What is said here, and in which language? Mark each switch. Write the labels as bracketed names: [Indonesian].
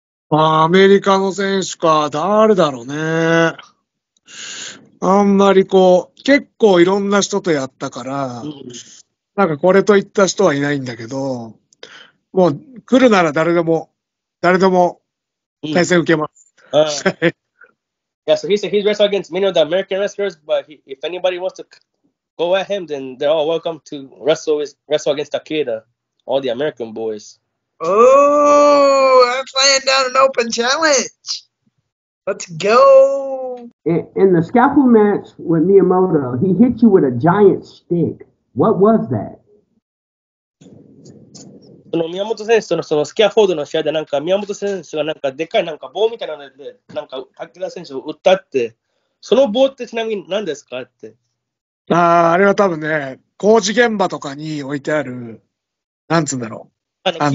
[Japanese] あ、アメリカの選手か。誰だろうね。あんまりこう、結構いろんな人とやったから、うん、なんかこれといった人はいないんだけど、もう来るなら誰でも対戦受けます。うん [English] Yeah, so he said he's wrestled against many of the American wrestlers, but if anybody wants to go at him, then they're all welcome to wrestle against Takeda, all the American boys. Oh, that's laying down an open challenge. Let's go. In the scaffold match with Miyamoto, he hit you with a giant stick. What was that? [Japanese] その宮本選手とのそのスキャフォードの試合でなんか宮本選手がなんかでかいなんか棒みたいなのでなんか武田選手を打ったってその棒ってちなみに何ですかってああれは多分ね工事現場とかに置いてあるなんつうんだろう